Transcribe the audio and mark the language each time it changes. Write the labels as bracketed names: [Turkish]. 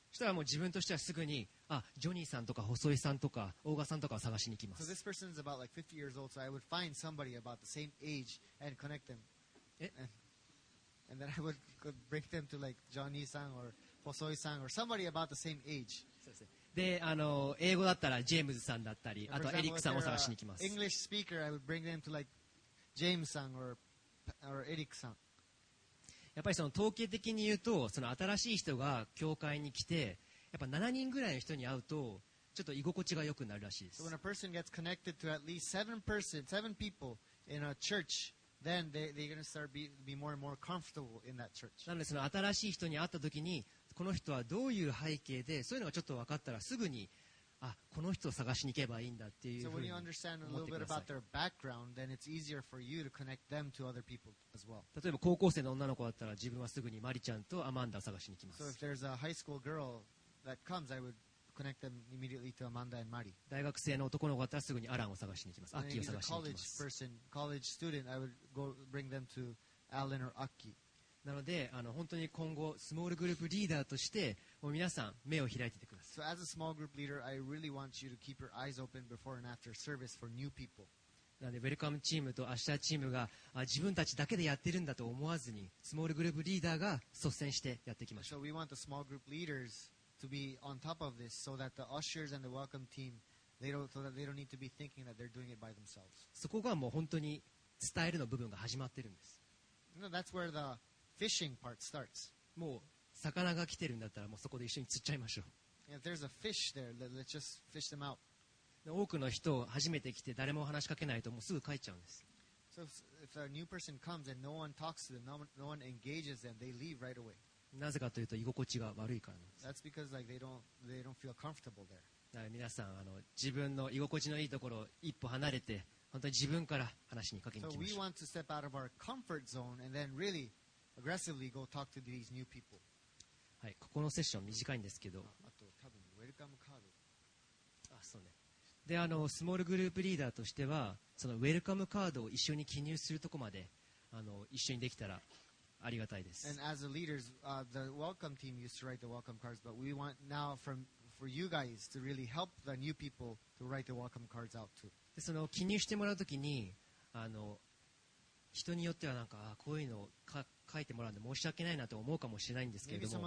[Japanese] そしたらもう自分としてはすぐに、あ、ジョニーさんとか細井さんとか大賀さんとかを探しに行きます。 [English] So this person is about like 50 years old, so I would find somebody about the same age and connect them. And then I would bring them to like Johnny-san or Hosoi-san or somebody about the same age. [Japanese] で、あの、英語だったらジェームズさんだったり、あとエリックさんを探しに行きます。 [English] English speaker, I would bring them to like James-san or Eric-san. [Japanese] やっぱりその統計的に言うと、その新しい人が教会に来て、やっぱ7人ぐらいの人に会うと、ちょっと居心地が良くなるらしいです。 [English] So when a person gets connected to at least seven people in a church,Then they're going to start be more and more comfortable in that church. [Japanese] なのでその新しい人に会った時にこの人はどういう背景でそういうのがちょっと分かったらすぐにあこの人を探しに行けばいいんだっていうふうに思ってください。 [English] So when you understand a little bit about their background, then it's easier for you to connect them to other people as well. [Japanese] 例えば高校生の女の子だったら自分はすぐにマリちゃんとアマンダを探しに行きます。 [English] So if there's a high school girl that comes, I would connect them immediately to Amanda and Mari. [Japanese] 大学生の男の子だったらすぐにアランを探しに行きます。アッキーを探しに行きます。 [English] College person, college student, I would go bring them to Alan or Aki. [Japanese] なので、あの本当に今後スモールグループリーダーとしてもう皆さん目を開いててください。 [English] So as a small group leader, I really want you to keep your eyes open before and after service for new people. [Japanese] なのでウェルカムチームとアッシャーチームが自分たちだけでやってるんだと思わずにスモールグループリーダーが率先してやっていきましょう。 [English] So we want the small group leadersto be on top of this so that the ushers and the welcome team they don't need to be thinking that they're doing it by themselves. [Japanese] そこがもう本当に伝えるの部分が始まってるんです。 [English] No, that's where the fishing part starts. [Japanese] もう魚が来てるんだったらもうそこで一緒に釣っちゃいましょう。 [English] If there's a fish there, let's just fish them out. [Japanese] 多くの人初めて来て誰も話しかけないともうすぐ帰っちゃうんです。 [English] So if a new person comes and no one talks to them, no one engages them, they leave right away. [Japanese] なぜかというと居心地が悪いからなんです。 [English] That's because like they don't feel comfortable there. [Japanese] だから皆さんあの自分の居心地のいいところを一歩離れて本当に自分から話しにかけに行きましょう。 [English] So we want to step out of our comfort zone and then really aggressively go talk to these new people. [Japanese] はい、ここのセッション短いんですけど。あと多分ウェルカムカード。あ、そうね。で、あのスモールグループリーダーとしてはそのウェルカムカードを一緒に記入するとこまであの一緒にできたら。ありがたいです。 [English] And as the leaders, the welcome team used to write the welcome cards, but we want now for you guys to really help the new people to write the welcome cards out too. [Japanese] で、その記入してもらうときに、あの人によってはなんかこういうのを書いてもらうんで申し訳ないなと思うかもしれないんですけれども、